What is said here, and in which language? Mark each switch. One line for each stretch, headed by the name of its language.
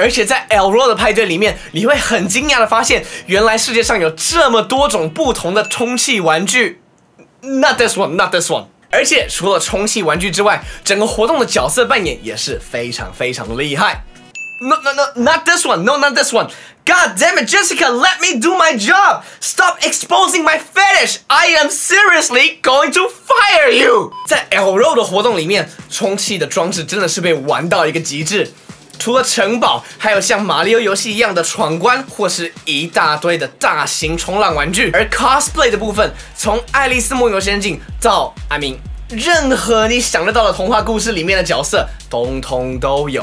Chinese: 而且在 Elro 的派对里面，你会很惊讶的发现，原来世界上有这么多种不同的充气玩具。
English: Not this one.
Chinese: 而且除了充气玩具之外，整个活动的角色扮演也是非常非常厉害。
English: No, not this one. God damn it, Jessica, let me do my job. Stop exposing my fetish. I am seriously going to fire you.
Chinese: 在 Elro 的活动里面，充气的装置真的是被玩到一个极致。除了城堡，还有像马里奥游戏一样的闯关，或是一大堆的大型冲浪玩具。而 cosplay 的部分，从《爱丽丝梦游仙境》到
English: I mean
Chinese: 任何你想得到的童话故事里面的角色，通通都有。